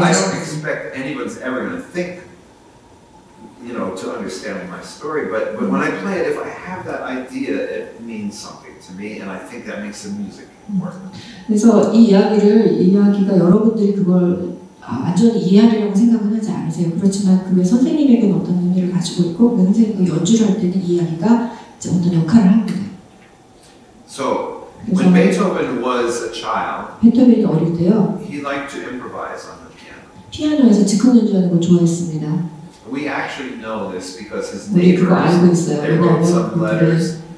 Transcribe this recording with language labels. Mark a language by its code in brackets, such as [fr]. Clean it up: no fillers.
[en] I don't expect anyone's ever going to think, you know, to understand my story. But when I play it, if I have that idea, it means something to me, and I think that makes the music important. [ko] 그래서 이 이야기를 이야기가 여러분들이 그걸 완전히 이해하려고 생각은 하지 않으세요. 그렇지만 그게 선생님에게 어떤 의미를 가지고 있고 그 선생님이 연주를 할 때는 이 이야기가 이제 어떤 역할을 합니다. [en] So. When Beethoven was a child, [ko] 베토벤이 어릴 때요. [en] He liked to improvise on the piano. [ko] 피아노에서 즉흥 연주하는 걸 좋아했습니다. [en] We actually know this because his neighbors, they wrote some letters.